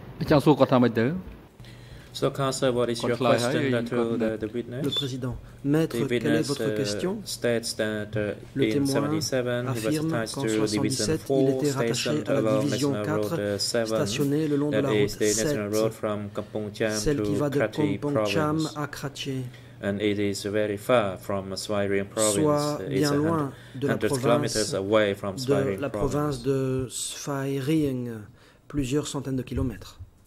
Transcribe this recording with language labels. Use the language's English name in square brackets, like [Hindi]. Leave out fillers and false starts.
[English] So, Counselor, what is your question to the witness? [French] Le président. Maître, quelle est votre question? [English] States that, [French] le témoin affirme qu'en 1977, il était rattaché à la division 4 stationnée le long de la route 7, celle qui va de Kampong Cham à Krathie. [English] And it is very far from Shaoyang province. [French] Soit bien loin de la province [English] away from [French] de la province de Shaoyang, plusieurs centaines de kilomètres.